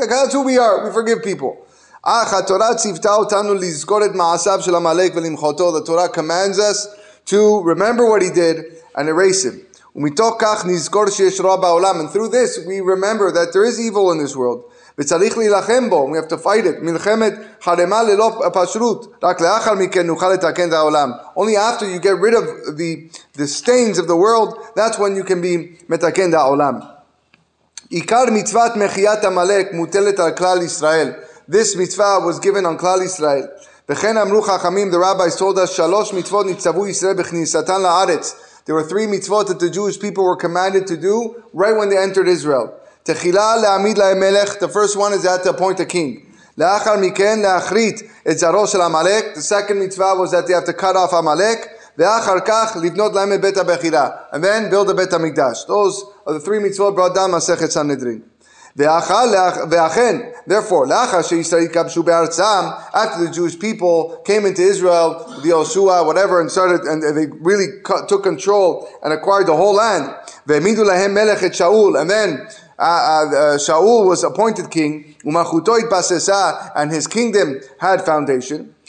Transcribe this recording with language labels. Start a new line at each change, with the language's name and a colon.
English: That's who we are. We forgive people. The Torah commands us to remember what he did and erase him. And through this, we remember that there is evil in this world. וצריך להילחם בו, we have to fight it.
Hebrew: מלחמת חרמה ללא פשרות, רק לאחר מכן נוכל לתקן את העולם.
English: Only after you get rid of the stains of the world, that's when you can be מתקן את העולם.
Hebrew: עיקר מצוות מחיית עמלק מוטלת על כלל ישראל. This mitzvah was given on כלל ישראל. וכן אמרו חכמים, the rabbis told us, שלוש מצוות ניצבו ישראל בכניסתן לארץ.
English: There were three mitzvot that the Jewish people were commanded to do right when they entered Israel. תחילה להעמיד להם מלך. The first one is that to appoint a king.
Hebrew: לאחר מכן להחריט את זרו של המלך.
English: The second mitzvah was that they have to cut off המלך.
Hebrew: ואחר כך לבנות להם את בית הבחירה. And then build a בית המקדש.
English: Those are the three mitzvot brought down מסכת סנהדרין. ואכן, therefore, לאחר שישראל יקבשו בארצם, after the Jewish people came into Israel, the Yoshua, whatever, and started, and they really took control and acquired the whole land. והעמידו להם מלך את שאול. And then, Shaul was appointed king, and his kingdom had foundation.